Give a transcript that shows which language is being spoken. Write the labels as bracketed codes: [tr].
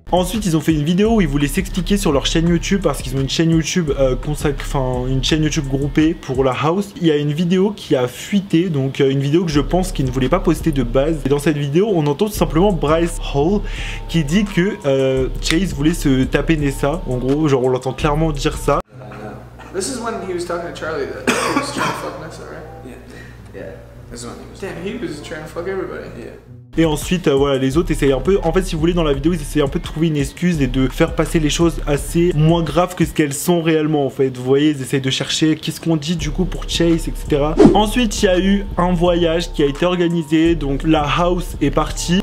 [fr] Ensuite, ils ont fait une vidéo où ils voulaient s'expliquer sur leur chaîne YouTube parce qu'ils ont une chaîne YouTube une chaîne YouTube groupée pour la house. Il y a une vidéo qui a fuité, donc une vidéo que je pense qu'ils ne voulaient pas poster de base. Et dans cette vidéo, on entend tout simplement Bryce Hall qui dit que Chase voulait se taper Nessa. En gros, genre on l'entend clairement dire ça. [en] This is when he was talking to Charlie that he was trying to fuck Nessa, right? Yeah. This is when he was. Damn, he was trying to fuck everybody. Yeah. [fr] Et ensuite, voilà, les autres essayent un peu, en fait, si vous voulez, dans la vidéo, ils essayent un peu de trouver une excuse et de faire passer les choses assez moins graves que ce qu'elles sont réellement, en fait. Vous voyez, ils essayent de chercher qu'est-ce qu'on dit, du coup, pour Chase, etc. Ensuite, il y a eu un voyage qui a été organisé, donc la house est partie.